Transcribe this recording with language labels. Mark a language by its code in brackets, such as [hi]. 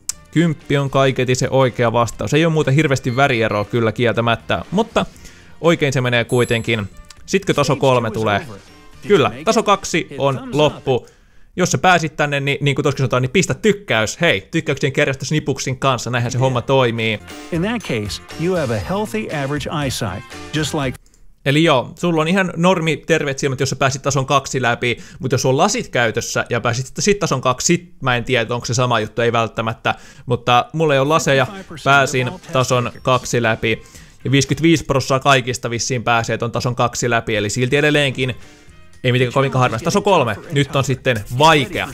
[fi] 10 on kaiketi se oikea vastaus. Ei ole muuten hirveästi värieroa kyllä kieltämättä, mutta oikein se menee kuitenkin. Sitkö taso 3 tulee? Kyllä, taso 2 on loppu. Jos sä pääsit tänne, niin kuin tuossa sanotaan, niin pistä tykkäys. Hei, tykkäyksien kerrasta snipuksin kanssa, näinhän se homma toimii. [en] In that case, you have a healthy average eyesight, just like... [fi] Eli joo, sulla on ihan normi terveet silmät, jos sä pääsit tason 2 läpi, mutta jos sulla on lasit käytössä ja pääsit sitten tason 2, sit mä en tiedä, onko se sama juttu, ei välttämättä, mutta mulla ei ole laseja, pääsin tason 2 läpi. Ja 55% kaikista vissiin pääsee, että on tason 2 läpi, eli silti edelleenkin, ei mitenkään kovin harvasta, tason 3, nyt on sitten vaikea.